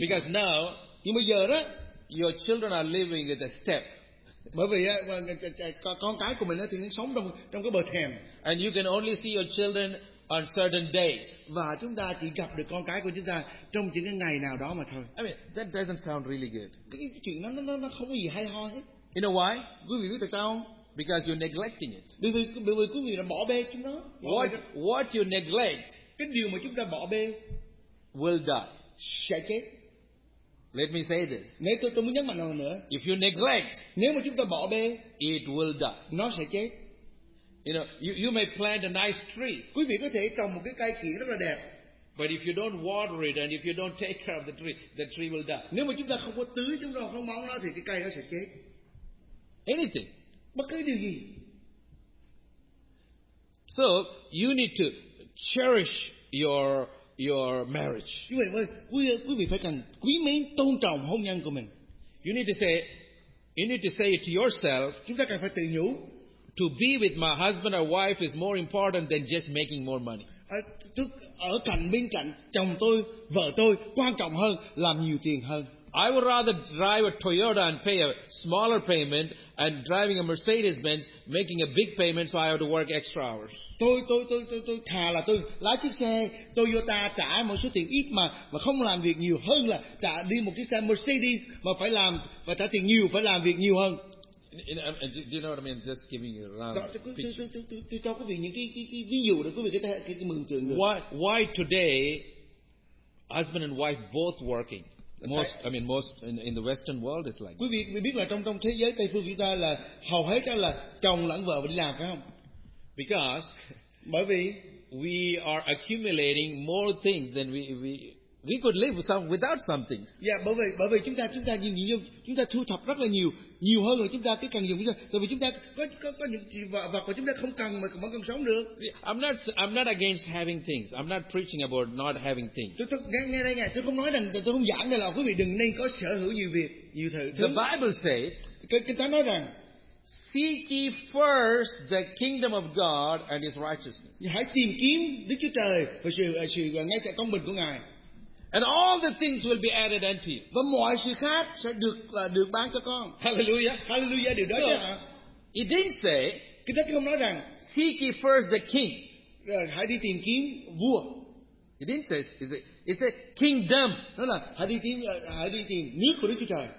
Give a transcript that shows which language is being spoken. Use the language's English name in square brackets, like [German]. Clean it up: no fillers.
[English] Because [Vietnamese] cả. [English] Now. [Vietnamese] Nhưng bây giờ đó. [English] Your children are living at the step. [Vietnamese] Bởi vì con cái của mình thì nó sống trong cái bờ thềm. [English] And you can only see your children on certain days. [Vietnamese] Và chúng ta chỉ gặp được con cái của chúng ta trong những cái ngày nào đó mà thôi. [English] I mean, that doesn't sound really good. [Vietnamese] Cái chuyện nó không có gì hay ho hết. [English] You know why? [Vietnamese] Quý vị biết tại sao không? [English] Because you're neglecting it. [Vietnamese] Bởi vì quý vị đã bỏ bê chúng nó. [English] What you neglect, [Vietnamese] cái điều mà chúng ta bỏ bê, [English] will die, [Vietnamese] sẽ chết. [English] Let me say this. [Vietnamese] Nếu tôi muốn nhắc mạnh lần nữa. [English] If you neglect, [Vietnamese] nếu mà chúng ta bỏ bê, [English] it will die. [Vietnamese] Nó sẽ chết. [English] You know, you may plant a nice tree. [Vietnamese] Quý vị có thể trồng một cái cây kiểng rất là đẹp. [English] But if you don't water it and if you don't take care of the tree will die. [Vietnamese] Nếu mà chúng ta không có tưới, chúng ta không bón nó thì cái cây nó sẽ chết. [English] Anything. [Vietnamese] Bất cứ điều gì. [English] So you need to cherish your marriage. [Vietnamese] Như vậy ơi, quý vị phải cần quý mến tôn trọng hôn nhân của mình. [English] You need to say it to yourself. [Vietnamese] Chúng ta cần phải tự nhủ. [English] To be with my husband or wife is more important than just making more money. [Vietnamese] Ở cạnh bên cạnh chồng tôi, vợ tôi quan trọng hơn làm nhiều tiền hơn. [English] I would rather drive a Toyota and pay a smaller payment and driving a Mercedes Benz making a big payment so I have to work extra hours. [Vietnamese] Tôi thà là tôi lái chiếc xe Toyota trả một số tiền ít mà không làm việc nhiều hơn là trả đi một chiếc xe Mercedes mà phải làm và trả tiền nhiều phải làm việc nhiều hơn. [English] Do you know what I mean? Just giving you a round. [Vietnamese] Tôi cho quý vị những cái ví dụ để quý vị có thể cái mừng tượng được. [English] Why today husband and wife both working? Most in the Western world is like. [Vietnamese] Quý vị biết là trong thế giới Tây phương chúng ta là hầu hết là chồng lẫn vợ đi làm phải không? [English] Because [Vietnamese] bởi vì [English] we are accumulating more things than we could live without some things. [Vietnamese] Yeah, bởi vì chúng ta chúng ta thu thập rất là nhiều hơn là chúng ta cái cần dùng chúng ta, tại vì chúng ta có những vật mà chúng ta không cần mà vẫn còn sống được. [English] I'm not against having things. I'm not preaching about not having things. [Vietnamese] Tôi không nói rằng tôi không giảng đây là quý vị đừng nên có sở hữu nhiều việc, nhiều thứ. [English] The Bible says. [Vietnamese] Kinh Thánh nói rằng. [English] Seek ye first the kingdom of God and His righteousness. [Vietnamese] Hãy tìm kiếm Đức Chúa Trời và sự ngay cả công bình của Ngài. [English] And all the things will be added unto you. [Vietnamese] Và mọi sự khác sẽ được bán cho con. Hallelujah, điều đó chứ. [English] It didn't say. [Vietnamese] Kinh Thánh không nói rằng. [English] Seek ye first the king. [Vietnamese] Hãy đi tìm kiếm vua. [English] It didn't say. It's a kingdom. [Vietnamese] Nó là hãy đi tìm nước của Đức Chúa Trời.